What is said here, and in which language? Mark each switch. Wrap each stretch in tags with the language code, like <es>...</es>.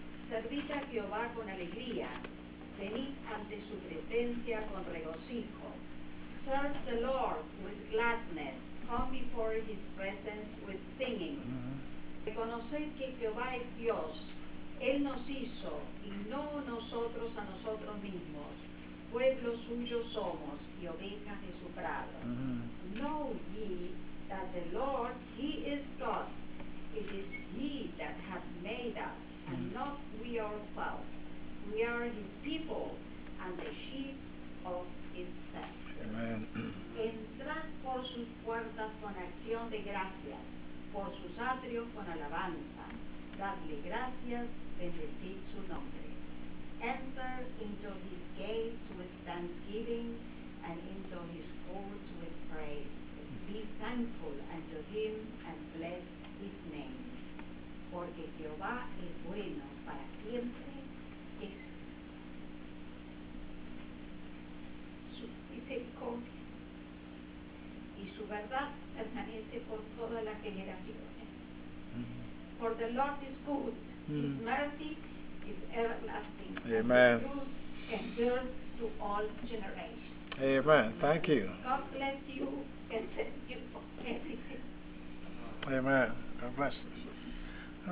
<es>Servid a Jehová con alegría. Venid ante su presencia con regocijo.</es> <en>Serve the Lord with gladness. Come before his presence with singing.</en> <es>Reconoced que Jehová es Dios. Él nos hizo, y no nosotros a nosotros mismos. Pueblo suyo somos, y ovejas de su prado.</es> <en>Know ye that the Lord, he is God. It is he that hath made us, and not we ourselves. We are his people, and the sheep of his pasture.</en> <es>Entrad por sus puertas con acción de gracias, por sus atrios con alabanza. Dadle gracias, bendecid su nombre.</es> <en>Enter into his gates with thanksgiving and into his courts with praise. Be thankful unto him and bless his name.</en> <es>Porque Jehová es bueno para siempre. Es su misericordia y su verdad permanece por todas las generaciones.</es> <en>For the Lord is good, his mercy is everlasting. Amen. And the truth endures to all generations. Amen. Thank you. God bless you and thank you for everything. Amen. God bless you.</en>